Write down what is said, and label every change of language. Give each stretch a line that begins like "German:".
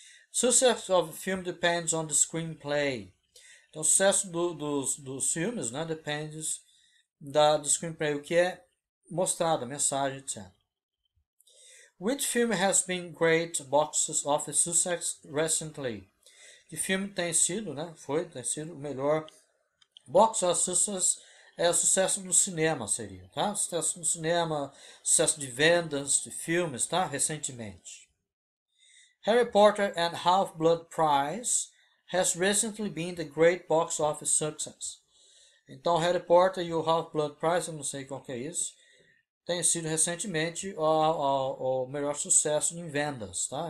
English: Success of a film depends on the screenplay.
Portuguese: Então, o sucesso dos filmes, né, depende do screenplay, o que é mostrado, a mensagem, etc.
English: Which film has been great box office success recently?
Portuguese: Que filme tem sido, né, foi, tem sido o melhor box office success? É o sucesso no cinema, seria, tá? Sucesso no cinema, sucesso de vendas, de filmes, tá? Recentemente.
English: Harry Potter and Half-Blood Prince has recently been the great box office success.
Portuguese: Então, Harry Potter e o Half-Blood Prince, eu não sei qual que é isso, tem sido recentemente o melhor sucesso em vendas, tá?